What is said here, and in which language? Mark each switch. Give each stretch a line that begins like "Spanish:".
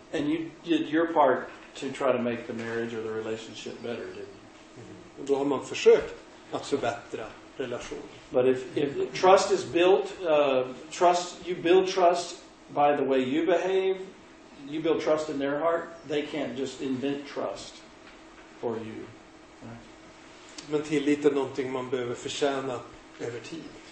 English: And you did your part to try to make the marriage or the relationship better, didn't you? Mm.
Swedish: Och då har man försökt att förbättra relationen.
English: But if trust is built, trust, you build trust by the way you behave, you build trust in their heart, they can't just invent trust for you.
Swedish: Men tillit är någonting man behöver förtjäna över tid.